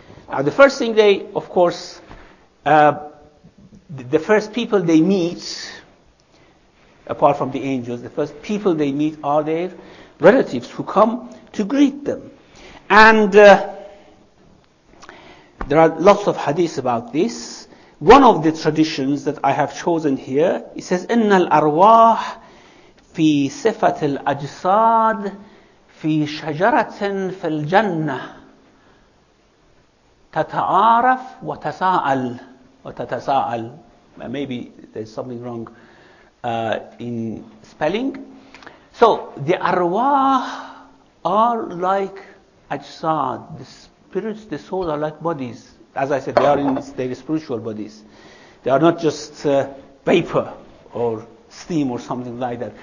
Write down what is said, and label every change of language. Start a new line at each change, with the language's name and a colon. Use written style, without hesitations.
English: Now the first thing they, of course, the first people they meet, apart from the angels, the first people they meet are their relatives who come to greet them. And there are lots of hadith about this. One of the traditions that I have chosen here, it says,
Arabic: إِنَّ الْأَرْوَاحِ فِي صِفَةِ الْأَجْسَادِ فِي شَجَرَةٍ فِي الْجَنَّةِ تَتَعَارَفْ وَتَسَاءَلْ وَتَتَسَاءَلْ.
English: Maybe there's something wrong in spelling. So the arwah are like ajsad, the spirits, the souls are like bodies. As I said, they are spiritual bodies. They are not just paper or steam or something like that.